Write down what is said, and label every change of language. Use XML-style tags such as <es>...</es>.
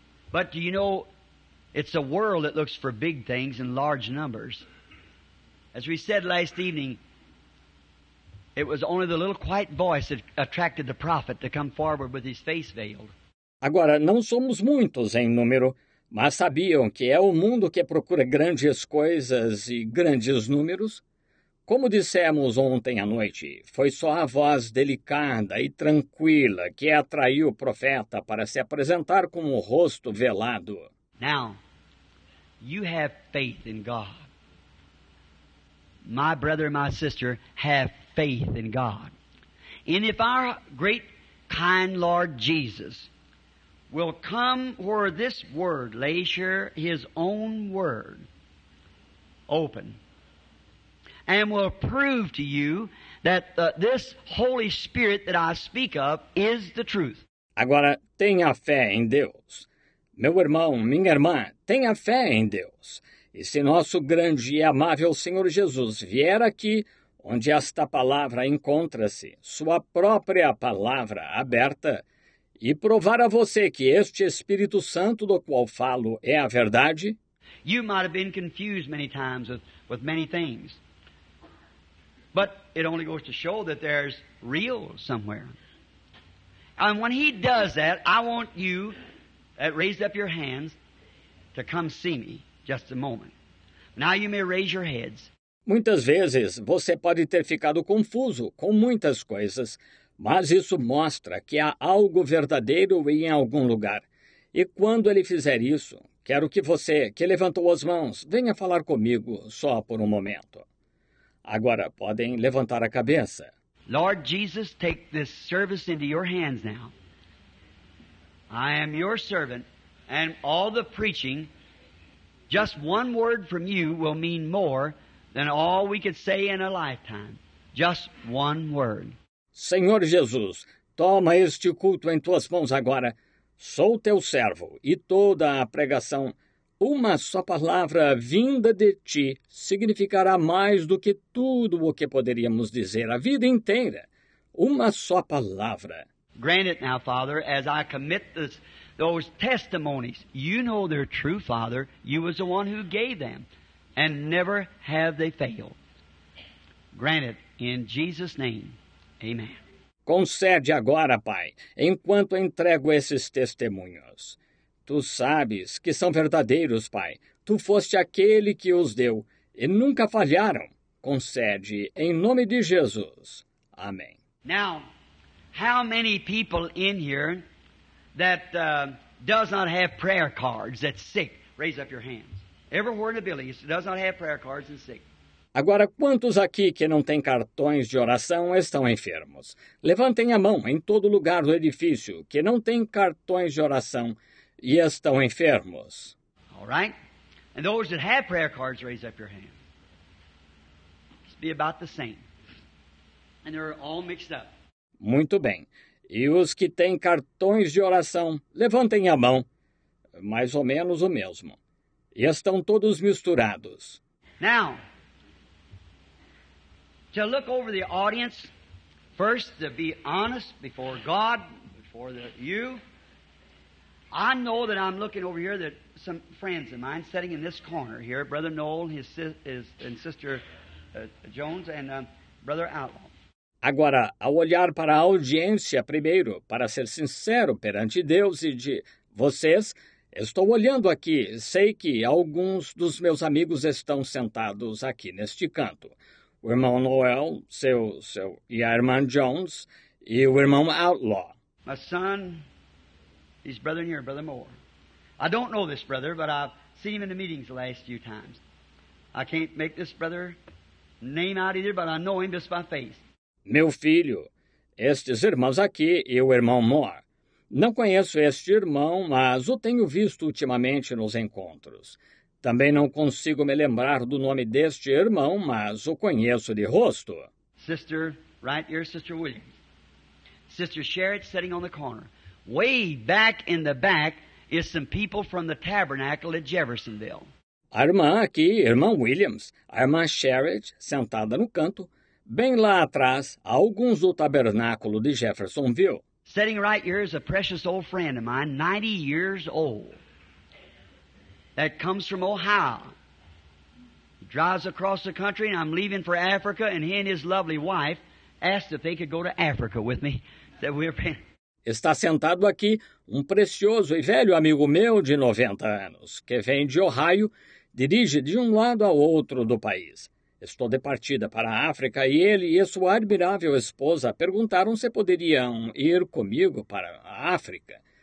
<en>But do you know, it's a world that looks for big things in large numbers. As we said last evening, it was only the little quiet voice that attracted the prophet to come forward with his face veiled.</en> <pt>Agora, não somos muitos em número, mas sabiam que é o mundo que procura grandes coisas e grandes números? Como dissemos ontem à noite, foi só a voz delicada e tranquila que atraiu o profeta para se apresentar com o rosto velado.</pt> <en>Now, you have faith in God. my brother and my sister, have faith in God. And if our great kind Lord Jesus will come where this word lays here, his own word, open, and will prove to you that this Holy Spirit that I speak of is the truth.</en> <pt>Agora, tenha fé em Deus. Meu irmão, minha irmã, tenha fé em Deus. E se nosso grande e amável Senhor Jesus vier aqui, onde esta palavra encontra-se, sua própria palavra aberta, e provar a você que este Espírito Santo do qual falo é a verdade?</pt> <en>You might have been confused many times with many things. But it only goes to show that there's real somewhere. And when he does that, I want you that raised up your hands to come see me just a moment. Now you may raise your heads.</en> <pt>Muitas vezes você pode ter ficado confuso com muitas coisas, mas isso mostra que há algo verdadeiro em algum lugar. E quando ele fizer isso, quero que você, que levantou as mãos, venha falar comigo só por um momento. Agora podem levantar a cabeça.</pt> <en>Lord Jesus, take this service into your hands now. I am your servant, and all the preaching, just one word from you will mean more than all we could say in a lifetime. Just one word.</en> <pt>Senhor Jesus, toma este culto em tuas mãos agora. Sou teu servo, e toda a pregação, uma só palavra vinda de ti, significará mais do que tudo o que poderíamos dizer a vida inteira. Uma só palavra.</pt> <en>Grant it now, Father, as I commit those testimonies. You know they're true, Father. You was the one who gave them, and never have they failed. Grant it in Jesus' name. Amen.</en> <pt>Concede agora, Pai, enquanto entrego esses testemunhos. Tu sabes que são verdadeiros, Pai. Tu foste aquele que os deu, e nunca falharam. Concede em nome de Jesus. Amém.</pt> <en>Now, how many people in here that does not have prayer cards that's sick? Raise up your hands. Everywhere in the building does not have prayer cards and sick.</en> <pt>Agora, quantos aqui que não têm cartões de oração estão enfermos? Levantem a mão em todo lugar do edifício que não tem cartões de oração e estão enfermos.</pt> <en>All right. And those that have prayer cards, raise up your hands. It's be about the same. And they're all mixed up.</en> <pt>Muito bem. E os que têm cartões de oração, levantem a mão. Mais ou menos o mesmo. E estão todos misturados.</pt> <en>Now, to look over the audience, first to be honest before God, before you, I know that I'm looking over here that some friends of mine sitting in this corner here, Brother Noel and Sister Jones and Brother Outlaw.</en> <pt>Agora, ao olhar para a audiência primeiro, para ser sincero perante Deus e de vocês, estou olhando aqui, sei que alguns dos meus amigos estão sentados aqui neste canto. O irmão Noel, seu e a irmã Jones, e o irmão Outlaw.</pt> <en>My son, his brother here, Brother Moore. I don't know this brother, but I've seen him in the meetings the last few times. I can't make this brother name out either, but I know him just by face.</en> <pt>Meu filho, estes irmãos aqui e o irmão Moore. Não conheço este irmão, mas o tenho visto ultimamente nos encontros. Também não consigo me lembrar do nome deste irmão, mas o conheço de rosto.</pt> <en>Sister, right here, Sister Williams. Sister Sherrod sitting on the corner. Way back in the back is some people from the tabernacle at Jeffersonville.</en> <pt>A irmã aqui, irmão Williams, a irmã Sherrod, sentada no canto. Bem lá atrás, há alguns do tabernáculo de Jeffersonville.</pt> <en>Sitting right here is a precious old friend of mine, 90 years old, that comes from Ohio. He drives across the country, and I'm leaving for Africa, and he and his lovely wife asked if they could go to Africa with me.</en> <pt>Está sentado aqui um precioso e velho amigo meu de 90 anos, que vem de Ohio, dirige de um lado ao outro do país. Estou de partida para a África e ele e sua admirável esposa perguntaram se poderiam ir comigo para a África.</pt>